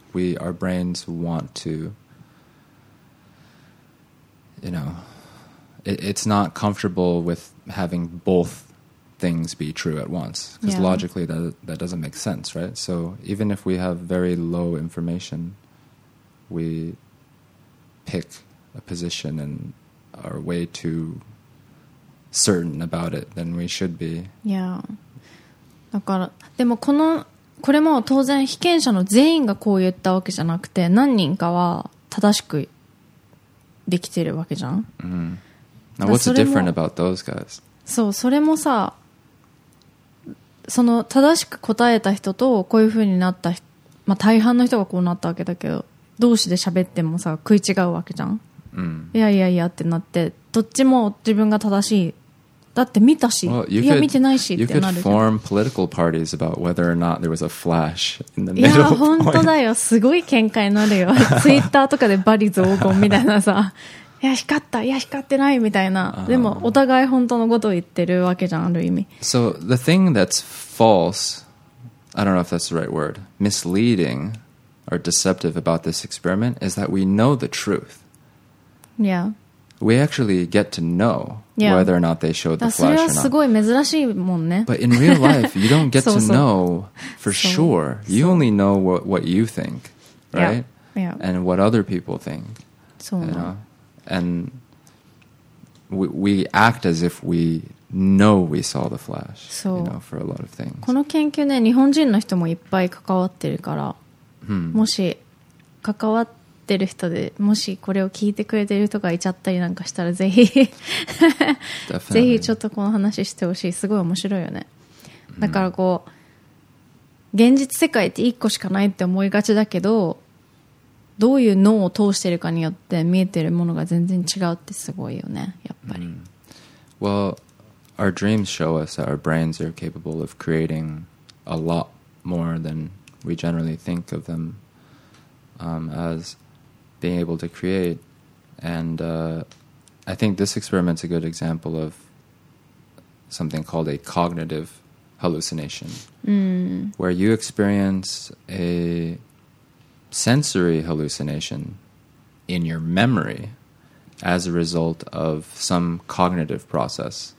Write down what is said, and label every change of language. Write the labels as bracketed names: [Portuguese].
[English] We, our brains want to, you know, it's not comfortable with having both things be true at once, because logically that doesn't make sense, right? So even if we have very low information, we pick a position and are way too certain about it than we should be. Yeah. [Japanese] だから、でもこの、これも当然被験者の全員がこう言ったわけじゃなくて、何人かは正しくできてるわけじゃん。 [English] Now what's different about those guys? [Japanese] そう、それもさ、その正しく答えた人とこういう風になった人、まあ、大半の人がこうなったわけだけど、同士で喋ってもさ食い違うわけじゃん、いやいやいやってなって、どっちも自分が正しいだって見たし、いや見てないしってなる。 [English] You could form political parties about whether or not there was a flash in the middle point. [Japanese] いや本当だよ、すごい喧嘩になるよ。ツイッターとかでバリ増言みたいなさ、いや光った、いや光ってないみたいな、でもお互い本当のことを言ってるわけじゃん、ある意味。 [English] So the thing that's false, I don't know if that's the right word, misleading or deceptive about this experiment is that we know the truth. Yeah. We actually get to know whether or not they showed the flash or not. [Japanese] それはすごい珍しいもんね。 [English] But in real life, you don't get to know for sure. You only know what you think, right? Yeah. And what other people think. [Japanese] そうなの。 [English] And we act as if we know we saw the flash, you know, for a lot of things. [Japanese] この研究ね、日本人の人もいっぱい関わってるから、もし関わってる人で、もしこれを聞いてくれてる人がいちゃったりなんかしたら、ぜひぜひちょっとこの話してほしい。すごい面白いよね。だからこう、現実世界って一個しかないって思いがちだけど、どういう脳を通してるかによって見えてるものが全然違うってすごいよね、やっぱり。 [English] Well, our dreams show us that our brains are capable of creating a lot more than we generally think of them as being able to create. And I think this experiment's a good example of something called a cognitive hallucination, where you experience a sensory hallucination in your memory as a result of some cognitive process.